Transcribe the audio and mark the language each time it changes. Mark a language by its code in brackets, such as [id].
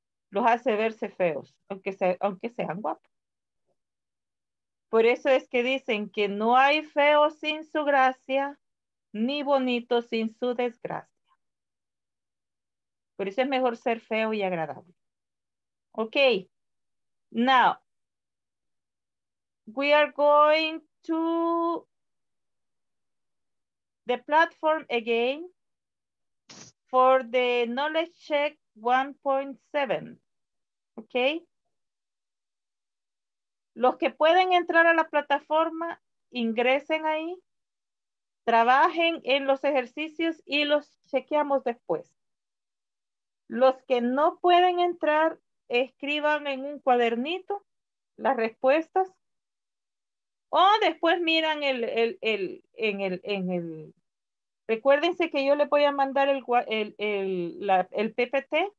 [es] Los hace verse feos, aunque sean guapos. Por eso es que dicen que no hay feo sin su gracia, ni bonito sin su desgracia. Por eso es mejor ser feo y agradable. Ok. [en] Now, we are going to the platform again for the knowledge check 1.7. Ok. [es] Los que pueden entrar a la plataforma, ingresen ahí, trabajen en los ejercicios y los chequeamos después. Los que no pueden entrar, escriban en un cuadernito las respuestas o después miran el recuérdense que yo les voy a mandar el PPT.